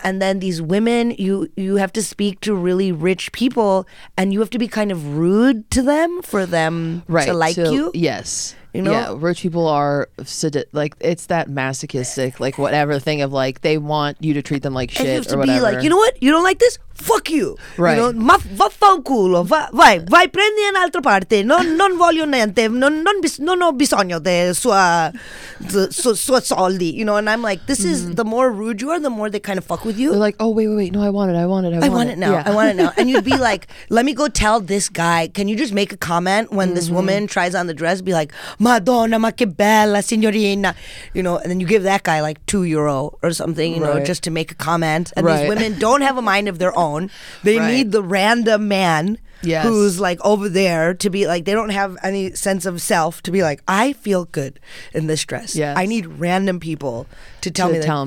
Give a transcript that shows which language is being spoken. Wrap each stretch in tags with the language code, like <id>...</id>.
<en>And then these women, you have to speak to really rich people, and you have to be kind of rude to them for them to like you. Yes. You know? Yeah, rich people are like, it's that masochistic, like, whatever thing of like, they want you to treat them like shit, and you have to or whatever. Be like, you know what? You don't like this? Fuck you. Right. You know,</en> <it>vaffanculo. Vai, prendi un'altra parte. Non voglio niente. Non ho bisogno del suo soldi.</it> <en>You know, and I'm like, this is the more rude you are, the more they kind of fuck with you. They're like, oh, wait. No, I want it now. Yeah. I want it now. And you'd be like, let me go tell this guy. Can you just make a comment when this woman tries on the dress? Be like,</en> <it>Madonna, ma che bella signorina.</it> <en>You know, and then you give that guy like €2 or something, you know, just to make a comment. And these women don't have a mind of their own. They need the random man who's like over there to be like, they don't have any sense of self to be like, I feel good in this dress. Yes. I need random people to tell</en>